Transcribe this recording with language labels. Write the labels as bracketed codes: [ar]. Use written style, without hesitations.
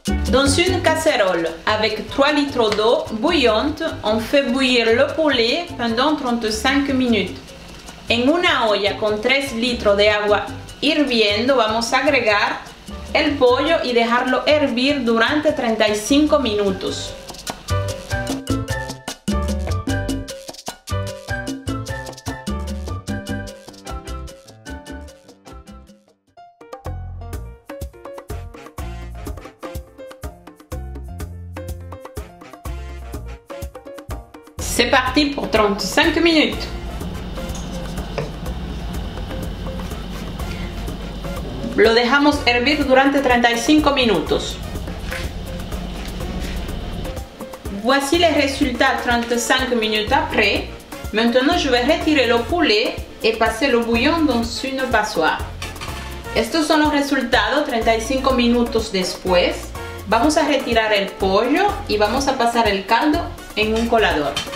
[fr] Dans une casserole avec 3 litres d'eau bouillante, on fait bouillir le poulet pendant 35 minutes. [es] En una olla con 3 litros de agua hirviendo, vamos a agregar el pollo y dejarlo hervir durante 35 minutos. [fr] C'est parti pour 35 minutes. [es] Lo dejamos hervir durante 35 minutos. [fr] Voici les résultats 35 minutes après. Maintenant, je vais retirer le poulet et passer le bouillon dans une passoire. [es] Estos son los resultados 35 minutos después. Vamos a retirar el pollo y vamos a pasar el caldo en un colador.